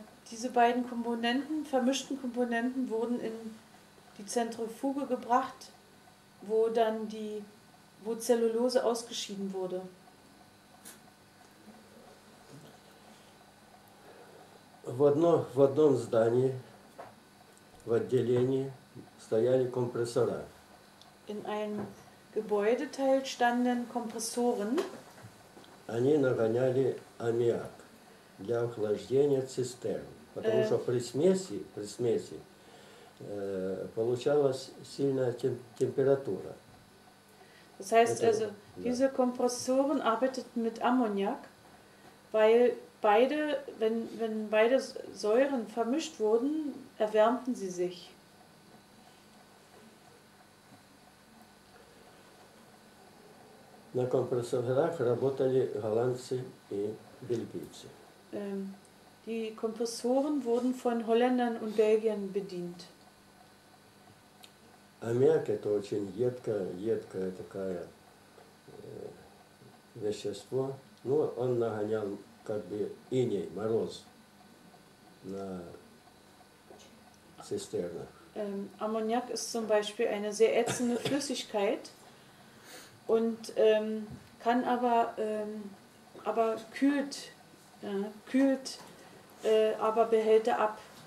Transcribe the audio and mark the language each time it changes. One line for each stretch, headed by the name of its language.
German: Diese beiden Komponenten, vermischten Komponenten, wurden in die Zentrifuge gebracht, wo Zellulose ausgeschieden wurde.
Russian: В одном здании, в отделении, стояли компрессора.
German: In einem Gebäudeteil standen Kompressoren.
Russian: Они нагоняли аммиак для охлаждения цистерн, потому что при смеси получалась сильная температура.
German: Das heißt also, diese Kompressoren arbeiteten mit Ammoniak, weil beide, wenn beide Säuren vermischt wurden, erwärmten sie sich.
Russian: На компрессорах работали голландцы и бельгийцы.
German: Die Kompressoren wurden von Holländern und Belgiern bedient.
Russian: Аммиак это очень едкое такое вещество. Ну, он нагонял как бы иней, мороз на цистернах.
German: Аммиак ist zum Beispiel eine sehr ätzende Flüssigkeit und kann aber kühlt, kühlt aber Behälter ab.